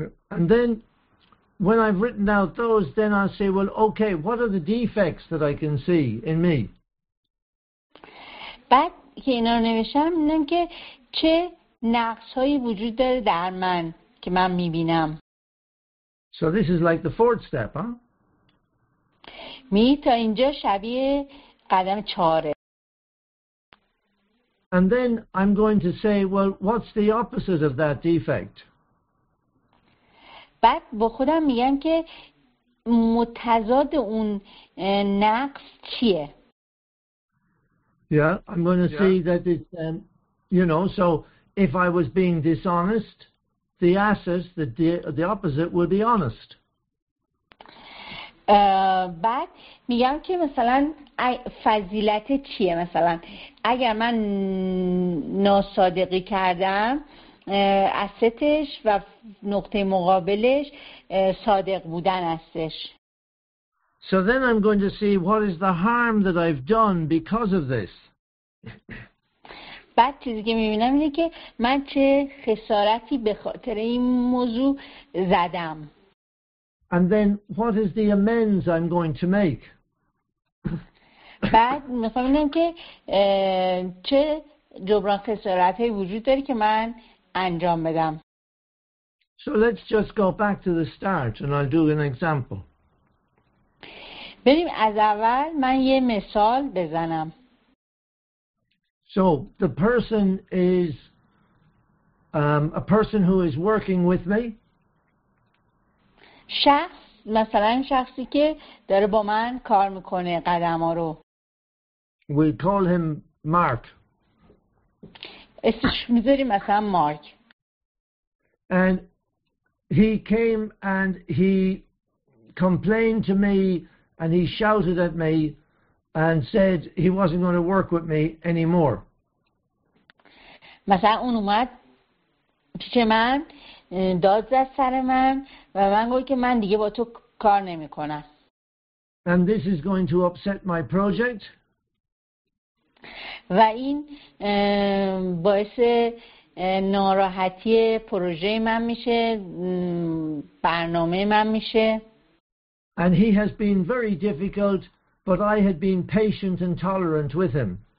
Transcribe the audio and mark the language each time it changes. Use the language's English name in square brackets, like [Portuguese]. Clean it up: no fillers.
[English] And then when I've written out those, then I say, well, okay, what are the defects that I can see in me? [Persian] بعد که اینا رو نوشتم میدونم که چه نقص هایی وجود داره در من که من میبینم. [English] So this is like the fourth step, huh? [Persian] می تا اینجا شبیه قدم چهاره. [English] And then I'm going to say, well, what's the opposite of that defect? [Persian] بعد با خودم میگم که متضاد اون نقص چیه؟ [English] Yeah, I'm going to see that it's, you know, so if I was being dishonest, the asset, the opposite would be honest. [Persian] بعد میگم که مثلا فضیلت چیه مثلا اگر من ناصادقی کردم استش و نقطه مقابلش صادق بودن استش. [English] So then I'm going to see what is the harm that I've done because of this. [Persian] بعد چیزی که میبینم اینه که من چه خسارتی به خاطر این موضوع زدم. [English] And then what is the amends I'm going to make? [Persian] بعد میخوام ببینم که چه جبران خسارتی وجود داره که من انجام بدم. [English] So let's just go back to the start and I'll do an example. [Persian] بریم از اول من یه مثال بزنم. [English] So the person is a person who is working with me. [Persian] شخص مثلا شخصی که داره با من کار میکنه قدم ها رو. [English] We call him Mark. [Persian] اسمش میذاریم مثلا مارک. [English] And he came and he complained to me and he shouted at me and said he wasn't going to work with me anymore. [Persian] مثلا اون اومد پیش من داد زد سر من و من گفت که من دیگه با تو کار نمی کنم. [English] And this is going to upset my project. [Persian] و این باعث ناراحتی پروژه من میشه، برنامه من میشه. [English] And he has been very difficult, but I had been patient and tolerant with him.